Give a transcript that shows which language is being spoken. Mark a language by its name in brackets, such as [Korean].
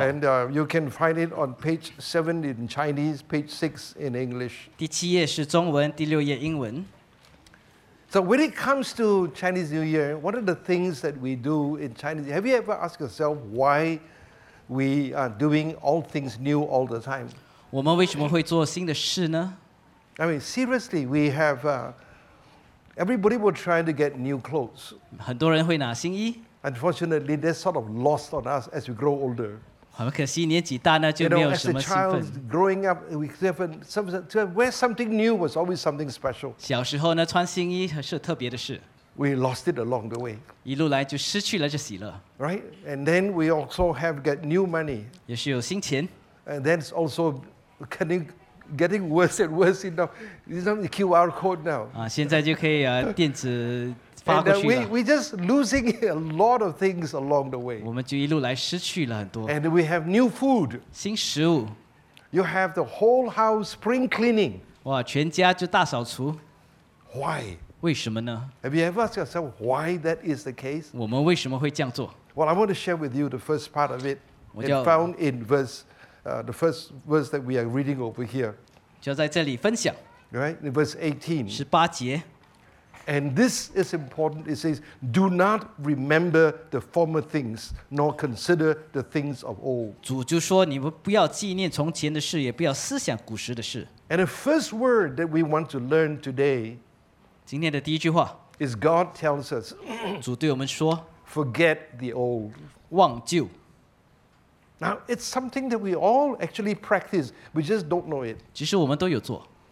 [English] And you can find it on page 7 in Chinese, page 6 in English. [Chinese] 第七页是中文，第六页英文。 [English] So when it comes to Chinese New Year, what are the things that we do in Chinese? Have you ever asked yourself why we are doing all things new all the time? [Chinese] 我们为什么会做新的事呢？ [English] I mean, seriously, we have Everybody will try to get new clothes. [Chinese] 很多人会拿新衣. [English] Unfortunately, they're sort of lost on us as we grow older. [Chinese] 很可惜年纪大呢, [English] you know, as a child growing up, to wear something new was always something special. [Chinese] 小时候呢, 穿新衣是特别的事. [English] We lost it along the way. [Chinese] 一路来就失去了这喜乐. [English] Right? And then we also have get new money. [Chinese] 也许有新钱. [English] And then it's also getting worse and worse enough. This is the QR code now. [Chinese] 现在就可以电子 [English] And we're just losing a lot of things along the way. [Chinese] 我们就一路来失去了很多. [English] And we have new food. [Chinese] 新食物. [English] You have the whole house spring cleaning. [Chinese] 哇,全家就大扫除. [English] Why? [Chinese] 为什么呢? [English] Have you ever asked yourself why that is the case? [Chinese] 我们为什么会这样做? [English] Well, I want to share with you the first part of it. It's found in the first verse that we are reading over here. [Chinese] 就在这里分享. [English] Right? In verse 18. [Chinese] 18节. [English] And this is important. It says, do not remember the former things, nor consider the things of old. [Chinese] 主就说你们不要纪念从前的事, 也不要思想古时的事。 [English] And the first word that we want to learn today [Chinese] 今天的第一句话, [English] is God tells us [Chinese] 主对我们说, [English] forget the old. [Chinese] 忘旧。 [English] Now, it's something that we all actually practice. We just don't know it. [Chinese] 其实我们都有做。